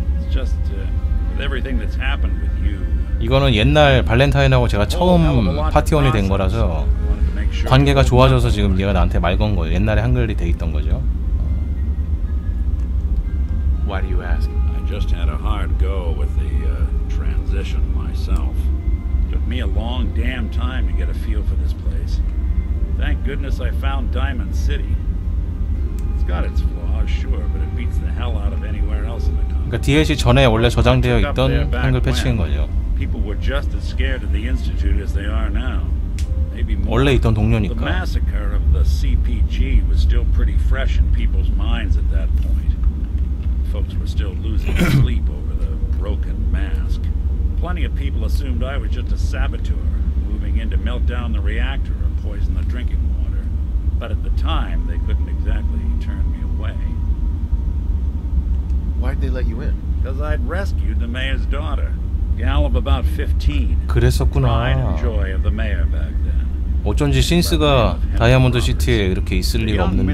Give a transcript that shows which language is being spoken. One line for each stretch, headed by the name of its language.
English: It's just with everything that's happened with you.
Korean: 이거는 옛날 발렌타인하고 제가 처음 파티원이 된 거라서 관계가 좋아져서 지금 얘가 나한테 말 건 거예요. 옛날에 한글이 돼 있던 거죠.
English: Why do you ask? I just had a hard go with the transition myself. Took me a long damn time to get a feel for this place. Thank goodness I found Diamond City. It's got its flaws, sure, but it beats the hell out of anywhere else in the country.
Korean: 그러니까 DLC 전에 원래 저장되어 있던 한글 패치인 거죠.
English: People were just as scared of the Institute as they are now. Maybe more.
Korean: 원래 있던 동료니까.
English: The massacre of the CPG was still pretty fresh in people's minds at that point. Folks were still losing sleep over the broken mask. Plenty of people assumed I was just a saboteur, moving in to melt down the reactor or poison the drinking water. But at the time, they couldn't exactly turn me away. Why'd they let you in? Because I'd rescued the mayor's daughter, a gal of about 15.
Korean: 그랬었구나.
English: Pride and joy of the mayor back then.
Korean: 어쩐지 신스가 다이아몬드 시티에 이렇게 있을 리가 없는데.